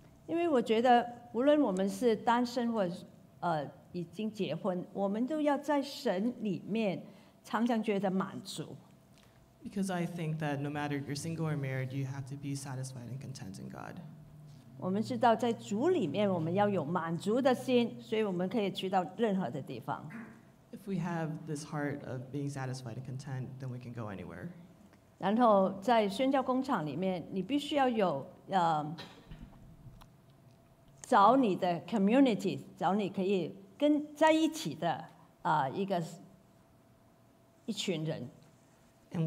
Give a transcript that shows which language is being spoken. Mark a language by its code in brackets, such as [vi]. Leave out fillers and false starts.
[zh] 因为我觉得，无论我们是单身或已经结婚，我们都要在神里面常常觉得满足。 [en] Because I think that no matter if you're single or married, you have to be satisfied and content in God. [zh] 我们知道在主里面我们要有满足的心，所以我们可以去到任何的地方。 [en] If we have this heart of being satisfied and content, then we can go anywhere. [zh] 然后在宣教工厂里面，你必须要有 找你的 community， 找你可以跟在一起的 一群人。 [en] And